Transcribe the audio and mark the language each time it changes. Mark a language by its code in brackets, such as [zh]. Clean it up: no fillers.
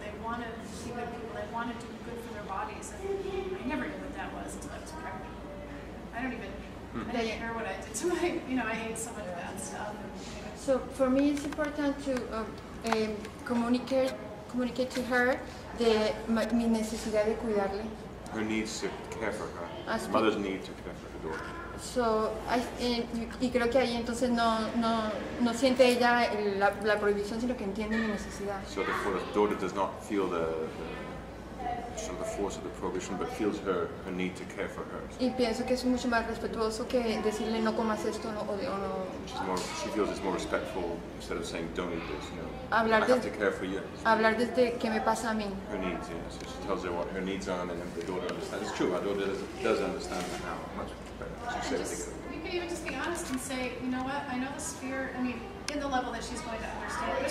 [en] They want to be good people. They want to do good for their bodies. And I never knew what that was until I was pregnant. I didn't care what I did to my, you know, I ate so much bad stuff. So for me, it's important to communicate to her the [es] mi necesidad de cuidarle. [en] Her needs to care for her. As mothers need to care for her daughter. [es] So, y creo que ahí entonces no siente ella la prohibición, sino que entiende la necesidad. [en] So the daughter does not feel the force of the prohibition, but feels her need to care for her. [es] Y pienso que es mucho más respetuoso que decirle no comas esto o no. [en] She feels it's more respectful instead of saying don't eat this, you know. [es] Hablar [en] I have to care for you. [es] Hablar desde qué me pasa a mí. [en] Her needs, yeah. So she tells her what her needs are, and then the daughter understands. It's true, our daughter does understand that now much. We can even just be honest and say, you know what, I know the spirit, I mean, in the level that she's going to understand.